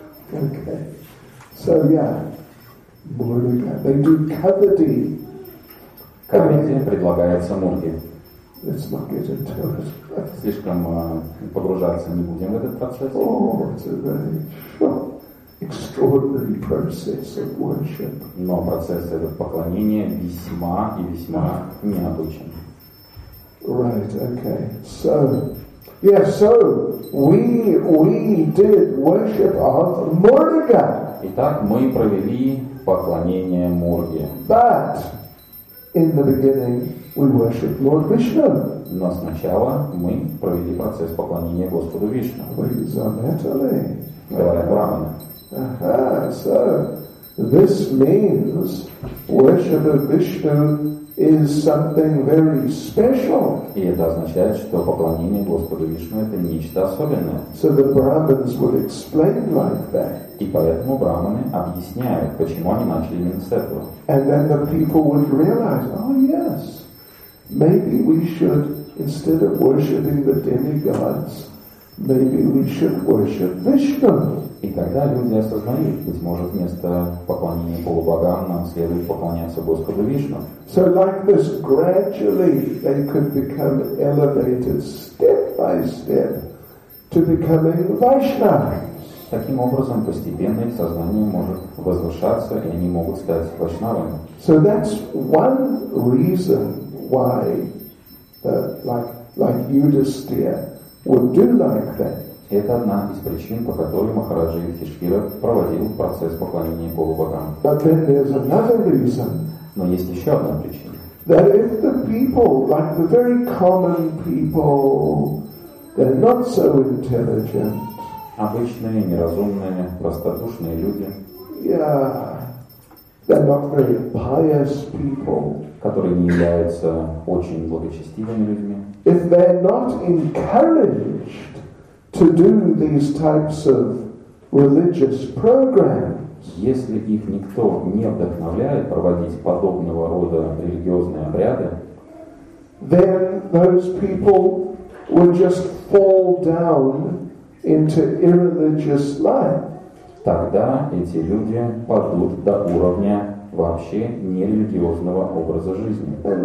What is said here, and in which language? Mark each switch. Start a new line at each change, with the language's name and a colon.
English: Okay. So, yeah. Мурга. They do Кавади.
Russian: Кавади предлагается Мурге.
English: Let's not get into it.
Russian: Слишком погружаться не будем в этот процесс.
English: Oh, it's a very short, extraordinary process of worship.
Russian: Но процесс этот поклонения весьма и весьма необычен.
English: Right, okay. So, yeah, so we did worship of Murga.
Russian: Итак, мы провели поклонение Мурге.
English: But in the beginning, we worship Lord Vishnu.
Russian: Но сначала мы провели процесс поклонения Господу Вишну.
English: We
Russian: заметили. Говоря брахманы.
English: So this means worship of Vishnu is something very special.
Russian: И это означает, что поклонение Господу Вишну это нечто особенное.
English: So the brahmins would explain like that.
Russian: И поэтому брахманы объясняют, почему они начали именно с этого.
English: And then the people would realize, oh yes. Maybe we should, instead of worshipping the demigods, maybe we should worship Vishnu.
Russian: И тогда люди осознают, быть может, вместо поклонения полубогам нам следует поклоняться Господу Вишну.
English: So like this, gradually they could become elevated step by step to becoming Vaishnavas.
Russian: Таким образом, постепенно их сознание может возвышаться, и они могут стать Вайшнавами.
English: So that's one reason why like Yudhisthira would do like that.
Russian: Это одна из причин, по которой Махараджа Юдхиштхира проводил процесс поклонения полубогам.
English: But then there's another reason.
Russian: Но есть еще одна причина.
English: That if the people, like the very common people, they're not so intelligent.
Russian: Обычные, неразумные, простодушные люди.
English: Yeah. They're not very pious people.
Russian: Которые не являются очень благочестивыми людьми.
English: If they're not encouraged to do these types of religious programs,
Russian: если их никто не вдохновляет проводить подобного рода религиозные обряды,
English: then those people would just fall down into irreligious life.
Russian: Тогда эти люди падут до уровня вообще нерелигиозного образа жизни.